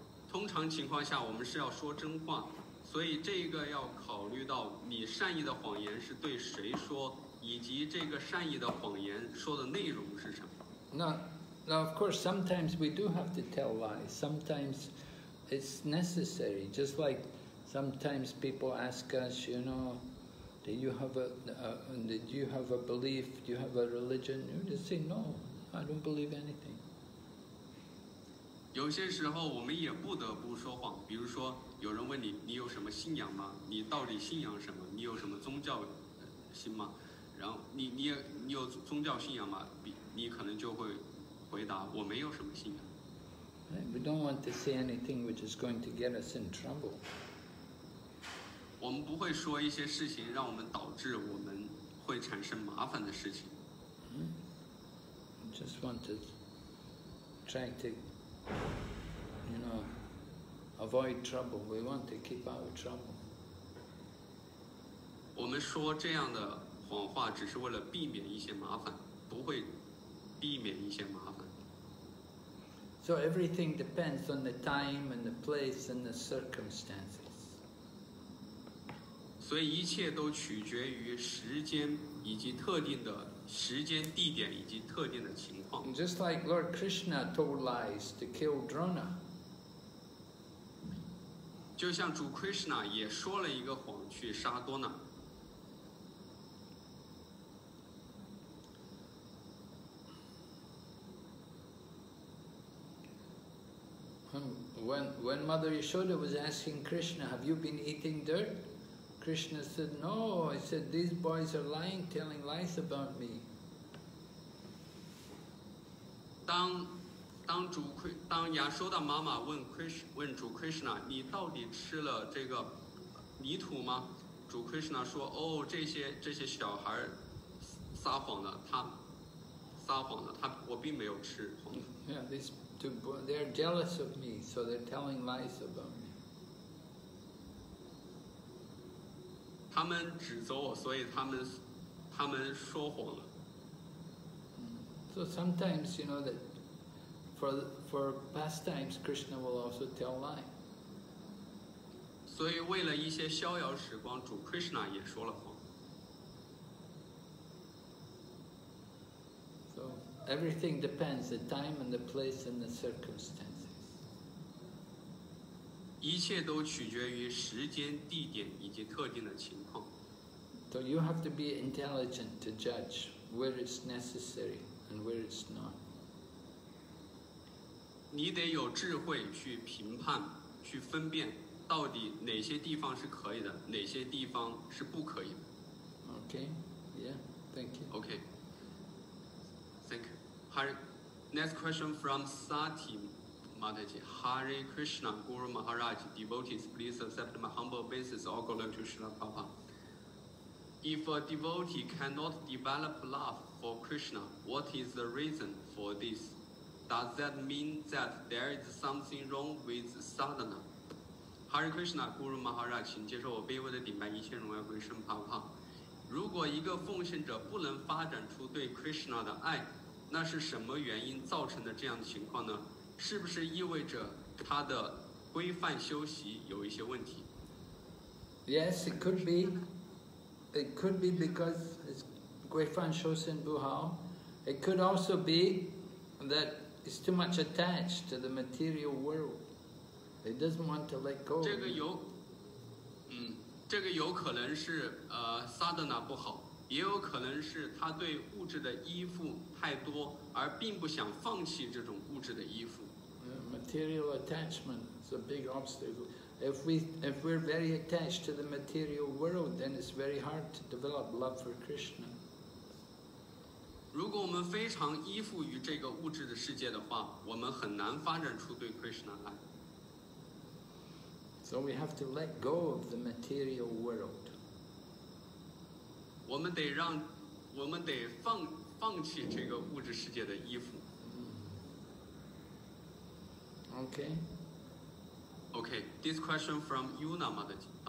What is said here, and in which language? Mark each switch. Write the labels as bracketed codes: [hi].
[zh] 通常情况下我们是要说真话，所以这个要考虑到你善意的谎言是对谁说，以及这个善意的谎言说的内容是什么。 [en] Now, of course, sometimes we do have to tell lies. Sometimes,it's necessary, just like sometimes people ask us, you know, do you have a belief, do you have a religion? You just say, no, I don't believe anything. [zh] 有些时候我们也不得不说谎，比如说有人问你，你有什么信仰吗？你到底信仰什么？你有什么宗教心吗？然后你有宗教信仰吗？你可能就会回答，我没有什么信仰。 [en] We don't want to say anything which is going to get us in trouble. [zh] 我们不会说一些事情让我们导致我们会产生麻烦的事情。 [en] We just want to try to, you know, avoid trouble. We want to keep out of trouble. [zh] 我们说这样的谎话只是为了避免一些麻烦，不会避免一些麻烦。 [en] So everything depends on the time and the place and the circumstances. [zh] 所以一切都取决于时间以及特定的时间地点以及特定的情况。 [en] Just like Lord Krishna told lies to kill Drona. [zh] 就像主 Krishna 也说了一个谎去杀多纳。 [en] When Mother Yashoda was asking Krishna, have you been eating dirt? Krishna said, no. I said, these boys are lying, telling lies about me. [zh] 当亚修达妈妈问主 Krishna, 你到底吃了这个泥土吗？主 Krishna 说，哦，这些小孩撒谎了，他并没有吃。 [en] Yeah, they're jealous of me, so they're telling lies about me. [zh] 他们指责我，所以他们说谎了。 [en] So sometimes, you know, that for pastimes, Krishna will also tell lies. [zh] 所以为了一些逍遥时光，主 Krishna 也说了谎。 [en] So everything depends the time and the place and the circumstances. [zh] 一切都取决于时间、地点以及特定的情况。 [en] So you have to be intelligent to judge where it's necessary and where it's not. [zh] 你得有智慧去评判，去分辨到底哪些地方是可以的，哪些地方是不可以的。 [en] Okay, yeah, thank you. Okay, thank you. Hare, next question from Sati Mataji. Hare Krishna, Guru Maharaj, devotees, please accept my humble obeisances. All glory to Srila Prabhupada. If a devotee cannot develop love for Krishna, what is the reason for this? Does that mean that there is something wrong with sadhana? [zh] Hare Krishna, Guru Maharaj, 请接受我卑微的顶拜，一切荣耀归圣帕帕。如果一个奉献者不能发展出对 Krishna 的爱，那是什么原因造成的这样的情况呢？是不是意味着他的规范修习有一些问题？ [en] Yes, it could be. It could be because it's [zh] Guifan Shosen Buhao. [en] It could also be that he's too much attached to the material world. He doesn't want to let go. [zh] 这个有，这个有可能是sadhana 不好，也有可能是他对物质的依附太多，而并不想放弃这种物质的依附。 [en] Material attachment is a big obstacle. If we're very attached to the material world, then it's very hard to develop love for Krishna. [zh] 如果我们非常依附于这个物质的世界的话，我们很难发展出对 Krishna 爱。 [en] So we have to let go of the material world. [zh] 我们得放弃这个物质世界的依附。 [en] Okay. Okay, this question from Yuna Mataji.